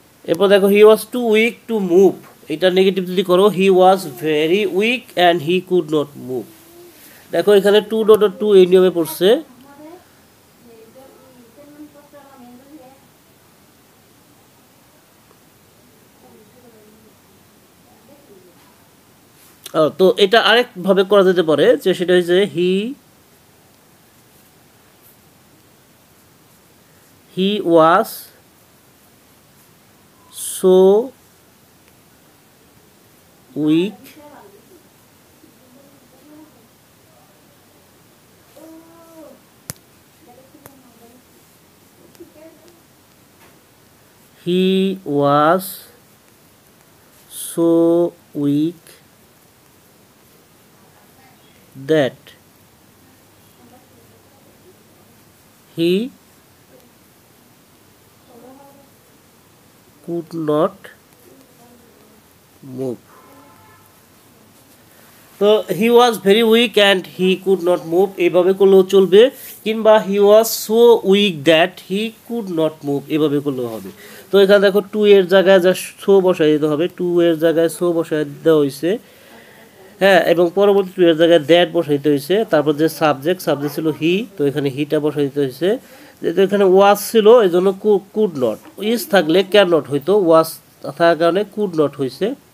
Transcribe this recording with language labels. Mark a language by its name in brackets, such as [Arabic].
[Bangla] এরপর দেখো [English] he was too weak to move, [Bangla] এটা নেগেটিভ যদি করো [English] he was very weak and he could not move, [Bangla] দেখো এখানে টু ডট টু এই নিয়মে পড়ছে, তো এটা আরেকভাবে করা যেতে পারে, যে সেটা হচ্ছে [English] He he was so weak he was so weak that he could not move. So he was very weak and he could not move. [Bangla] এভাবে করলেও চলবে কিংবা [English] he was so weak that he could not move. [Bangla] এভাবে করলেও হবে. তো এখানে দেখো টু এর জায়গায় জাস্ট সো বসাই দিতে হবে. টু এর জায়গায় সো বসাই দেওয়া হয়েছে. হ্যাঁ, এবং পরবর্তী টু এর জায়গায় দ্যাট বসাই দিতে হয়েছে. তারপর যে সাবজেক্ট, সাবজেক্ট ছিল হি, তো এখানে হিটা বসাই দিতে হয়েছে. যেহেতু এখানে ওয়াজ ছিল এই জন্য কুড নট, ইজ থাকলে ক্যান নট হইতো, ওয়াজ থাকার কারণে কুড নট হয়েছে.